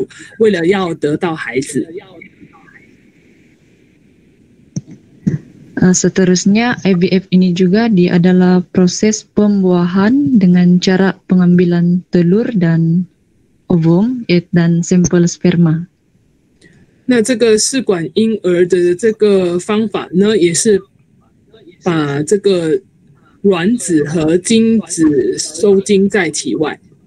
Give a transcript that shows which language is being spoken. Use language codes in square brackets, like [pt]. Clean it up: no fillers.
[zh] 那这个试管婴儿这个方法呢，也是克服生育能力问题的这些夫妇为了要得到孩子。 [ms] Seterusnya, IVF ini juga dia adalah proses pembuahan dengan cara pengambilan telur dan ovum dan sampel sperma. [zh] Nah, 这个试管婴儿的这个方法呢，也是把这个卵子和精子收精在体外。